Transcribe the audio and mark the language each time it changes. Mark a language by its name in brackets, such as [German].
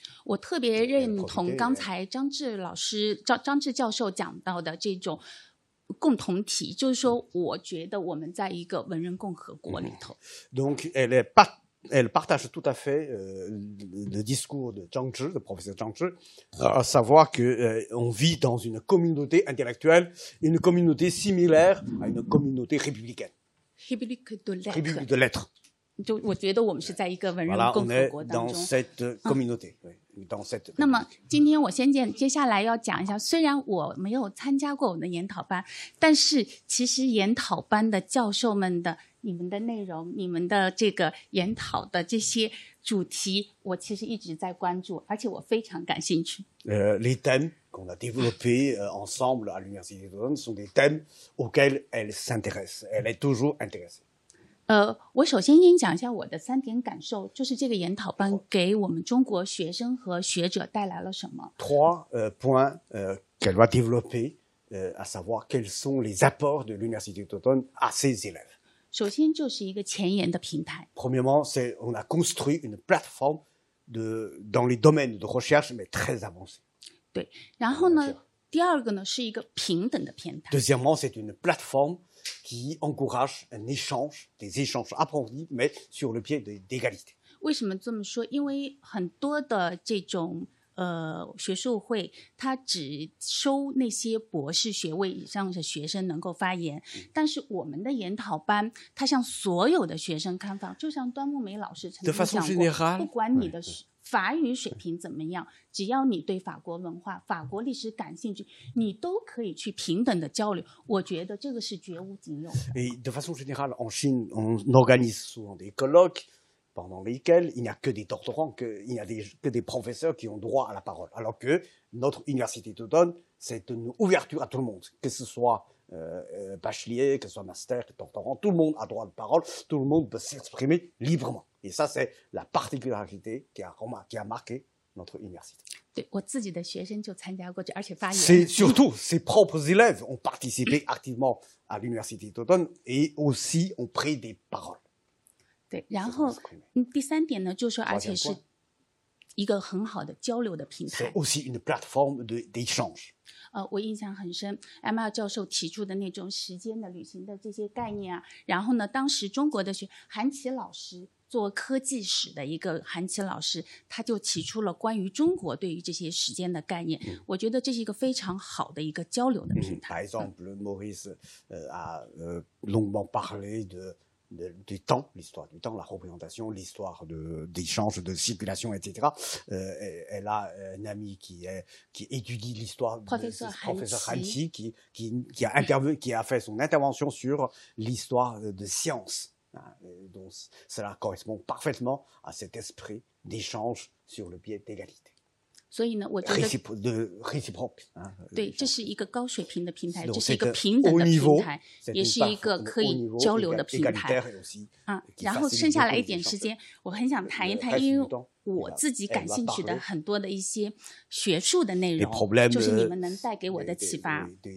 [Chinese] 我特别认同刚才张智老师张智教授讲到的这种共同体，就是说，我觉得我们在一个文人共和国里头。 [French] Donc elle est pas. Elle partage tout à fait le discours de Zhang Zhi, le professeur Zhang Zhi, à savoir qu'on vit dans une communauté intellectuelle, une communauté similaire à une communauté républicaine. République de lettres. République de lettres. Voilà, on est dans cette communauté. Dans cette... [Chinese] 那么今天我先见接下来要讲一下，虽然我没有参加过我们的研讨班，但是其实研讨班的教授们的你们的内容，你们的这个研讨的这些主题，我其实一直在关注，而且我非常感兴趣。 [French] Les thèmes qu'on a développés ensemble à l'université de Rennes sont des thèmes auxquels elle s'intéresse. Elle est toujours intéressée. [Chinese] 我首先先讲一下我的三点感受，就是这个研讨班给我们中国学生和学者带来了什么。 [French] Trois points qu'elle va développer, à savoir quels sont les apports de l'Université d'automne à ses élèves. [Chinese] 首先就是一个前沿的平台。 [French] Premièrement, c'est on a construit une plateforme dans les domaines de recherche, mais très avancée. [Chinese] 对，然后呢，第二个呢是一个平等的平台。 [French] Deuxièmement, c'est une plateforme qui encourage un échange, des échanges approfondis, mais sur le pied d'égalité. [Chinese] 为什么这么说？因为很多的这种学术会，他只收那些博士学位以上的学生能够发言。但是我们的研讨班，他向所有的学生开放，就像端木梅老师曾经讲过，不管你的法语水平怎么样，只要你对法国文化、法国历史感兴趣，你都可以去平等的交流。我觉得这个是绝无仅有的。 [French] Et de façon générale, en Chine, on organise souvent des colloques. Pendant lesquels il n'y a que des doctorants, qu'il n'y a que des professeurs qui ont droit à la parole. Alors que notre université d'automne, c'est une ouverture à tout le monde, que ce soit bachelier, que ce soit master, doctorant, tout le monde a droit de parole, tout le monde peut s'exprimer librement. Et ça, c'est la particularité qui a marqué notre université. [Chinese] 对我自己的学生就参加过去，而且发言。 [French] C'est surtout ses propres élèves ont participé activement à l'université d'automne et aussi ont pris des paroles. [Chinese] 对，然后第三点呢，就是说，而且是一个很好的交流的平台。 [French] C'est aussi une plateforme de d'échange。 [Chinese] 我印象很深 ，MR 教授提出的那种时间的旅行的这些概念啊。然后呢，当时中国的学韩琦老师做科技史的一个韩琦老师，他就提出了关于中国对于这些时间的概念。嗯、我觉得这是一个非常好的一个交流的平台。 [French] Par exemple, Maurice a longuement parlé de. Du temps, l'histoire du temps, la représentation, l'histoire d'échanges, de circulation, etc. Elle a un ami qui étudie l'histoire, professeur Han Qi, qui a fait son intervention sur l'histoire de science. Donc, cela correspond parfaitement à cet esprit d'échange sur le pied d'égalité. [Chinese] 所以呢，我觉得 [French] réciproque, [Chinese] 对，这是一个高水平的平台，这是一个平等的平台，也是一个可以交流的平台。啊，然后剩下来一点时间，我很想谈一谈，因为我自己感兴趣的很多的一些学术的内容，就是你们能带给我的启发。